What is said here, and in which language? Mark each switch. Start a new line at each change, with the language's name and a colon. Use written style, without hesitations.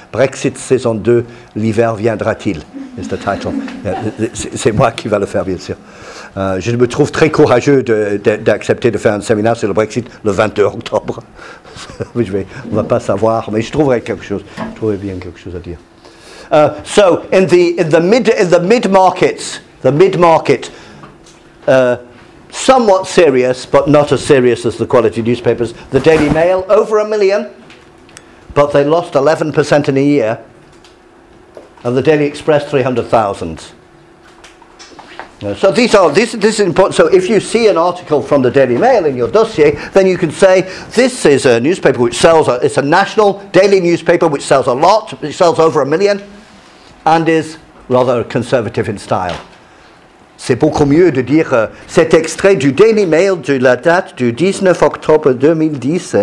French: Brexit saison 2, l'hiver viendra-t-il?
English: Is the title.
French: Yeah, c'est moi qui va le faire, bien sûr. Je me trouve très courageux d'accepter de faire un séminaire sur le Brexit le 22 octobre. On va pas savoir, mais je trouverai bien quelque chose à dire.
English: So in the mid markets, somewhat serious, but not as serious as the quality newspapers. The Daily Mail, over 1 million, but they lost 11% in a year. And the Daily Express, 300,000. So this is important. So if you see an article from the Daily Mail in your dossier, then you can say, this is a newspaper which sells, it's a national daily newspaper which sells a lot, which sells over 1 million, and is rather conservative in style.
French: C'est beaucoup mieux de dire cet extrait du Daily Mail de la date du 19 octobre 2010.